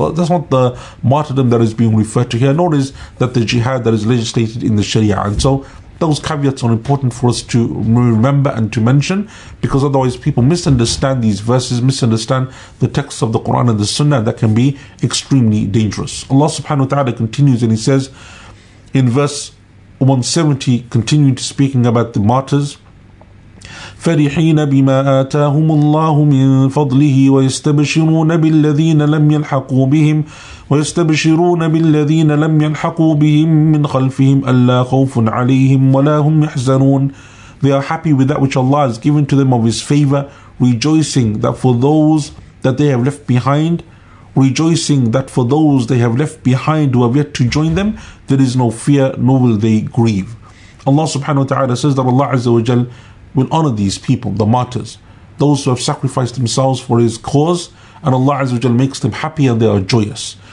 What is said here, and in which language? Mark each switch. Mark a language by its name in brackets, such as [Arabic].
[English] That's not the martyrdom that is being referred to here, nor is that the jihad that is legislated in the Sharia. And so those caveats are important for us to remember and to mention, because otherwise people misunderstand these verses, misunderstand the text of the Quran and the Sunnah, and that can be extremely dangerous. Allah subhanahu wa ta'ala continues and he says in verse 170, continuing to speaking about the martyrs, [Arabic] فَرِحِينَ بِمَا آتَاهُمُ اللَّهُ مِنْ فَضْلِهِ وَيَسْتَبْشِرُونَ بِالَّذِينَ لَمْ يَلْحَقُوا بِهِمْ وَيَسْتَبْشِرُونَ بِالَّذِينَ لَمْ يَلْحَقُوا بِهِمْ مِنْ خَلْفِهِمْ أَلَّا خَوْفٌ عَلَيْهِمْ وَلَا هُمْ يَحْزَنُونَ. [English] They are happy with that which Allah has given to them of His favor, rejoicing that for those that they have left behind, rejoicing that for those they have left behind who have yet to join them, there is no fear, nor will they grieve. Allah subhanahu wa ta'ala says that Allah azza wa jal will honor these people, the martyrs, those who have sacrificed themselves for His cause, and Allah Azza wa Jal makes them happy and they are joyous.